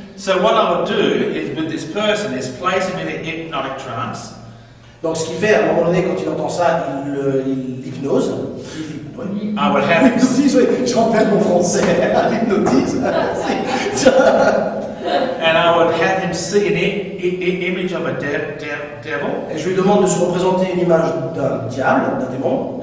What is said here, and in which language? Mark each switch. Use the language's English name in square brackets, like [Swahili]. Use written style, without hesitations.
[English] So what I would do is with this person is place him in a hypnotic trance. [French] Donc ce qu'il fait, à un moment donné, quand il entend ça, il l'hypnose. [English] I would have [French] to... Oui, j'en perds mon français. L'hypnotise. [English] And I would have him see an image of a devil. [French] Et je lui demande de se représenter une image d'un diable, d'un démon.